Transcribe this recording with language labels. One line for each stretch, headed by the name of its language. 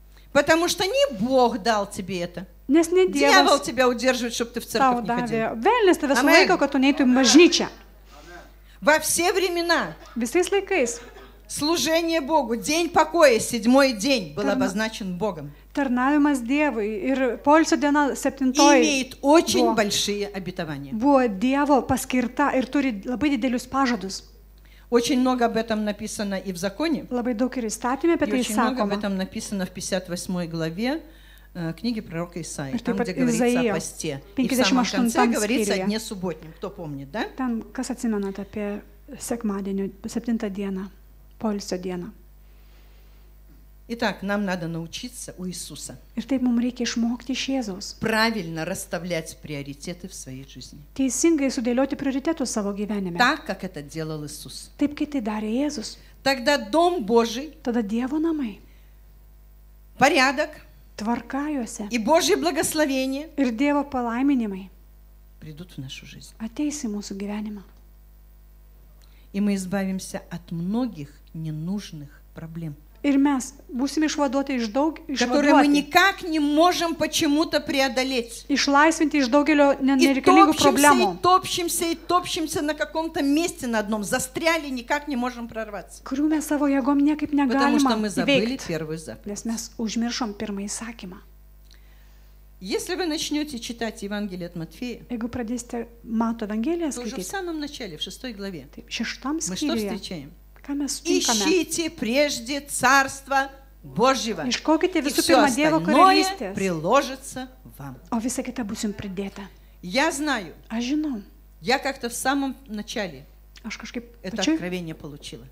Russian: Потому что не Бог дал тебе это. Дьявол тебя удерживает, чтобы ты в церковь не ходил. Амин. Во все времена
Lithuanian: Visais laikais.
Russian: Служение Богу, день покоя, седьмой день был обозначен Богом.
Lithuanian: Tarnavimas Dievui ir poilsio diena septintoji.
Russian: Имеет очень большие обетования.
Lithuanian: Buvo Dievo paskirta ir turi labai didelius pažadus.
Russian: Очень много об этом написано и в законе.
Lithuanian: Labai daug ir įstatyme apie tai sakoma.
Russian: Много об этом написано в 58 главе книги пророка Исаии, там, где говорится о посте. И в самом конце говорится о дне субботнем. Кто помнит, да?
Lithuanian: Там, kas atsimenat apie sekmadienį, septintą dieną, poilsio dieną.
Russian: Итак, нам надо научиться у Иисуса.
Lithuanian: Ir taip mums reikia išmokti iš Jėzaus.
Russian: Правильно расставлять приоритеты в своей жизни.
Lithuanian: Teisingai sudėlioti prioritetus savo gyvenime.
Russian: Так, как это делал Иисус.
Lithuanian: Taip, kaip tai darė Jėzus.
Russian: Тогда дом Божий.
Lithuanian: Тогда Dievo namai.
Russian: Порядок.
Lithuanian: Tvarka juose.
Russian: И Божье благословение.
Lithuanian: Ir Dievo palaiminimai.
Russian: Придут в нашу жизнь.
Lithuanian: Ateis į mūsų gyvenimą.
Russian: И мы избавимся от многих ненужных проблем.
Lithuanian: Ir mes būsime išvaduoti iš daug
Russian: которые мы никак не можем почему-то преодолеть.
Lithuanian: Išlaisvinti iš daugelio nereikalingų problemų.
Russian: И топчемся, и топчемся на каком-то месте, на одном застряли, никак не можем прорваться.
Lithuanian: Kurių mes savo jėgom niekaip negalime įveikti.
Russian: Потому что мы забыли первый заповедь.
Lithuanian: Nes mes užmiršom pirmąjį įsakymą.
Russian: Если вы начнете читать Евангелие от Матфея,
Lithuanian: jeigu pradėsite Mato Evangeliją skaityti,
Russian: то уже в самом начале, в шестой главе,
Lithuanian: tai šeštam skyriuje,
Russian: мы что встречаем? Ищите прежде Царство Божьего, и все остальное приложится вам. А все это будет придето. Я знаю. А жену? Я как-то в самом начале это откровение получила.